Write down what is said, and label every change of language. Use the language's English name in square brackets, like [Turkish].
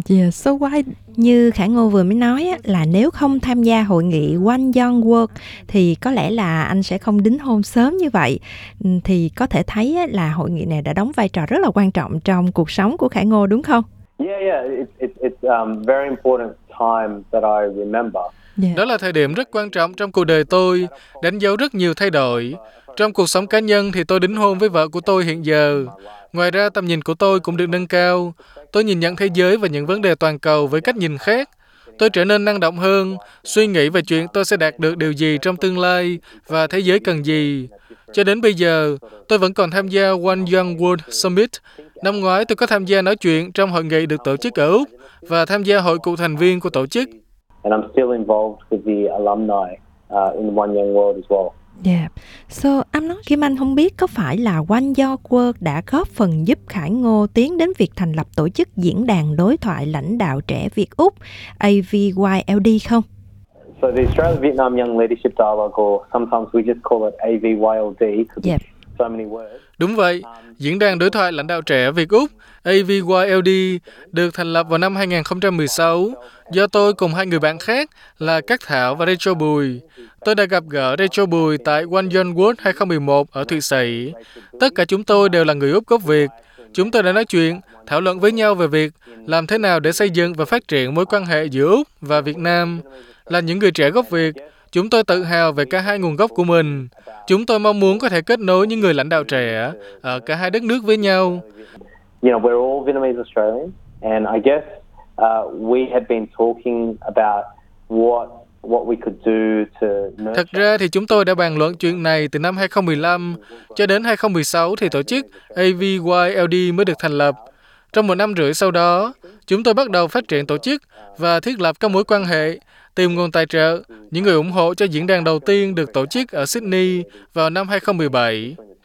[English] So why, [Vietnamese] như Khải Ngô vừa mới nói là nếu không tham gia hội nghị One Young World thì có lẽ là anh sẽ không đính hôn sớm như vậy. Thì có thể thấy là hội nghị này đã đóng vai trò rất là quan trọng trong cuộc sống của Khải Ngô, đúng không? [English] Very important time that I remember. [Vietnamese] Đó là thời điểm rất quan trọng trong cuộc đời tôi, đánh dấu rất nhiều thay đổi. Trong cuộc sống cá nhân thì tôi đính hôn với vợ của tôi hiện giờ. Ngoài ra tầm nhìn của tôi cũng được nâng cao. Tôi nhìn nhận thế giới và những vấn đề toàn cầu với cách nhìn khác. Tôi trở nên năng động hơn, suy nghĩ về chuyện tôi sẽ đạt được điều gì trong tương lai và thế giới cần gì. Cho đến bây giờ, tôi vẫn còn tham gia One Young World Summit. Năm ngoái tôi có tham gia nói chuyện trong hội nghị được tổ chức ở Úc và tham gia hội cựu thành viên của tổ chức. [English] And I'm still involved with the alumni in the One Young World as well. Yeah. So, I'm not [Vietnamese] Kim Anh không biết có phải là One Young World đã góp phần giúp Khải Ngô tiến đến việc thành lập tổ chức diễn đàn đối thoại lãnh đạo trẻ Việt Úc AVYLD không? [English] So the Australian Vietnam Young Leadership Dialogue, or sometimes we just call it AVYLD. So many words. [Vietnamese] Đúng vậy, diễn đàn đối thoại lãnh đạo trẻ Việt Úc AVYLD được thành lập vào năm 2016 do tôi cùng hai người bạn khác là Cát Thảo và Rachel Bùi. Tôi đã gặp gỡ Rachel Bùi tại One Young World 2011 ở Thụy Sĩ. Tất cả chúng tôi đều là người Úc gốc Việt. Chúng tôi đã nói chuyện, thảo luận với nhau về việc làm thế nào để xây dựng và phát triển mối quan hệ giữa Úc và Việt Nam. Là những người trẻ gốc Việt, chúng tôi tự hào về cả hai nguồn gốc của mình. Chúng tôi mong muốn có thể kết nối những người lãnh đạo trẻ ở cả hai đất nước với nhau. [English] You know, we're all Vietnamese Australian, and I guess we had been talking about what we could do to. [Vietnamese] Thật ra thì chúng tôi đã bàn luận chuyện này từ năm 2015 cho đến 2016 thì tổ chức AVYLD mới được thành lập. Trong một năm rưỡi sau đó, chúng tôi bắt đầu phát triển tổ chức và thiết lập các mối quan hệ, tìm nguồn tài trợ, những người ủng hộ cho diễn đàn đầu tiên được tổ chức ở Sydney vào năm 2017.